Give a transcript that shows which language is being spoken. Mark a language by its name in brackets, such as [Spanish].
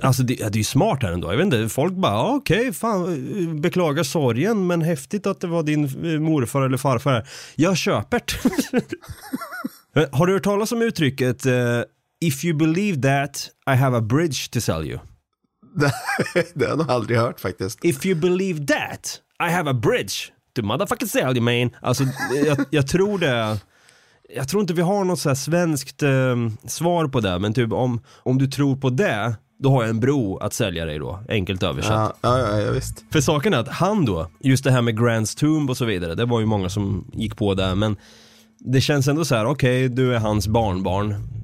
[Swedish] Alltså det är ju smart här ändå. Jag vet inte, folk bara, ja, okej, okay, fan, beklagar sorgen, men häftigt att det var din morfar eller farfar. Jag köper't. Har du hört talas om uttrycket [English] if you believe that, I have a bridge to sell you? [Swedish] Det har jag aldrig hört faktiskt. [English] If you believe that, I have a bridge to motherfucking sell you, man. [Swedish] Alltså, jag tror det. Jag tror inte vi har något så här svenskt svar på det, men typ om du tror på det, då har jag en bro att sälja dig då, enkelt översatt. Ja, visst. För saken är att han då, just det här med Grant's tomb och så vidare, det var ju många som gick på det, men det känns ändå så här, okej, okay, du är hans barnbarn.